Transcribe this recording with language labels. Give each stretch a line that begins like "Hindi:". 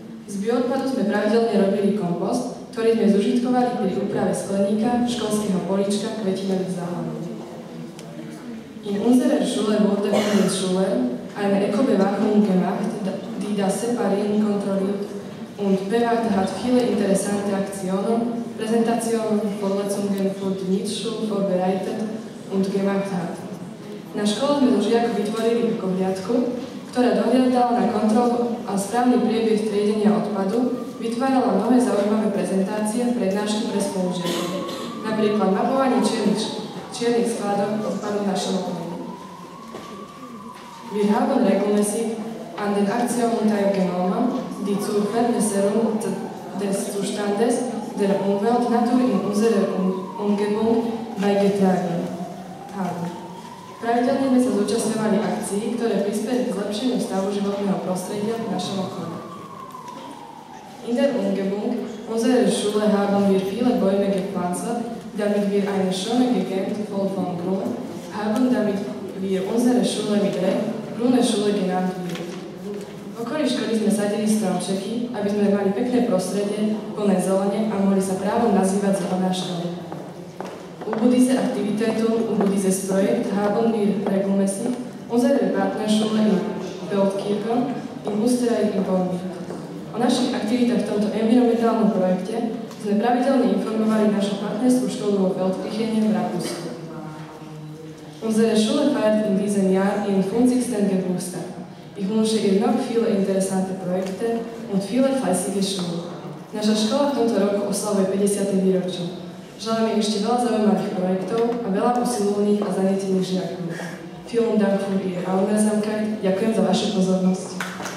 Slovak: Z bioodpadu sme pravidelne robili kompost, ktorý sme zužitkovali pri úprave skleníka, školského políčka, kvetinových záhonov.
German: In unserer Schule wurde von der Schule eine Eco-Bewachung gemacht, die das Separieren kontrolliert und bewacht hat viele interessante Aktionen, Präsentationen, Vorlesungen für die Nichtschule vorbereitet und gemacht hat.
Slovak: Na škole sme do žiakov vytvorili ekohliadku, ktorá dohliadala na kontrolu a správny priebeh triedenia odpadu, vytvárala nové zaujímavé prezentácie a prednášky pre spolužiakov. Napríklad mapovanie čiernych skladov odpadu na škole.
German: Wir haben regelmäßig an den Aktionen teilgenommen, die zur Verbesserung des Zustandes der Umwelt, Natur in unserer Umgebung beigetragen haben.
Slovak: Pravidelne sme sa zúčastňovali akcií, ktoré prispeli k zlepšeniu stavu životného prostredia v našom okolí.
German: In der Umgebung unserer Schule haben wir viele Bäume gepflanzt, damit wir eine schöne Gegend voll von Grün haben, damit wir unsere Schule mit Grüne Schule genannt wird.
Slovak: V okolí školy sme sadili stromčeky, aby sme mali pekné prostredie, plné zelene a mohli sa právom nazývať zelená škola.
German: Über diese Aktivitäten, über dieses Projekt haben wir regelmäßig unsere Partnerschule in Feldkirchen in Österreich informiert.
Slovak: O našich aktivitách v tomto environmentálnom projekte sme pravidelne informovali našu partnerskú školu vo Feldkirchene v Rakúsku.
German: Unsere Schule feiert in diesem Jahr ihren 50. Geburtstag. Ich wünsche ihr noch viele interessante Projekte und viele fleißige Schüler.
Slovak: Naša škola v tomto roku oslavuje 50. výročie. Želám im ešte veľa zaujímavých projektov a veľa usilovných a zanietených žiakov.
German: Vielen Dank für Ihre Aufmerksamkeit.
Slovak: Ďakujem za vašu pozornosť.